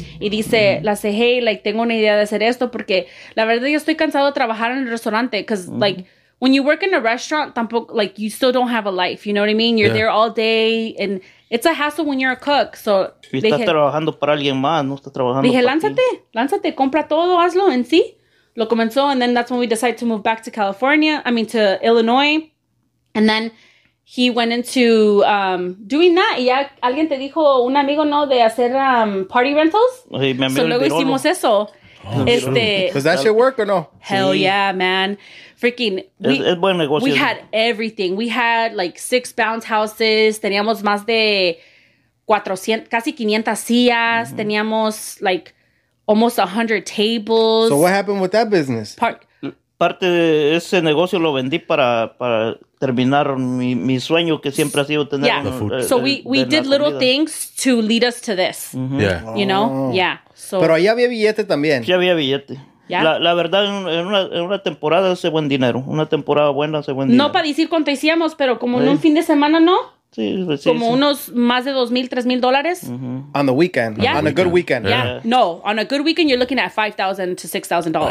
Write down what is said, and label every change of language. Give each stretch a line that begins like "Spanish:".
Spanish: Y dice, la se,
English: hey, like,
Spanish: tengo una idea de hacer esto. Porque la verdad, yo estoy cansado de trabajar en el restaurante.
English: Because, like, when you work in a restaurant,
Spanish: tampoco,
English: like, you still don't have a life. You know what I mean? You're there all day. And it's a hassle when you're a cook. So,
Spanish: dije, estás trabajando para alguien más, no estás trabajando. Dije, lánzate, lánzate, compra todo, hazlo en sí. Lo comenzó,
English: and then that's when we decided to move back to California, I mean, to Illinois. And then he went into doing that.
Spanish: Y ya alguien te dijo, un amigo, ¿no?, de hacer party rentals. Sí, me so luego hicimos eso. Oh, este,
English: does that shit work or no? Hell yeah, man. Freaking,
Spanish: es buen negocio.
English: We had everything. We had like 6 bounce houses.
Spanish: Teníamos más de 400, casi 500 sillas. Mm-hmm. Teníamos
English: like... almost 100 tables. So what happened with that business?
Spanish: Parte de ese negocio lo vendí para terminar mi sueño que siempre ha sido tener.
English: Yeah. So we did little things to lead us to this. Mm-hmm. Yeah. You know? Oh. Yeah. So.
Spanish: Pero ahí había billete también. Sí había billete. Yeah. La verdad, en una temporada hace buen dinero. Una temporada buena hace buen dinero. No para decir cuánto hacíamos, pero como en un fin de semana, ¿no? Sí, sí, como sí. Unos más de $2,000-$3,000
English: on the weekend. Yeah. On a good weekend. Yeah. No, on a good weekend you're looking at $5,000 to $6,000.